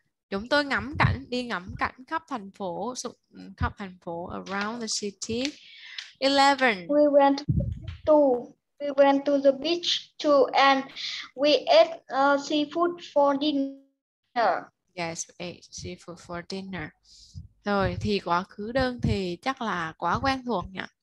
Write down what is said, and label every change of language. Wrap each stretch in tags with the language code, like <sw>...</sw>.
<vi>Chúng tôi ngắm cảnh, đi ngắm cảnh khắp thành phố</vi> <en>around the city. 11. We went to the beach too, and we ate seafood for dinner. Yes, we ate seafood for dinner.</en> <vi>Rồi, thì quá khứ đơn thì chắc là quá quen thuộc nhỉ?</vi>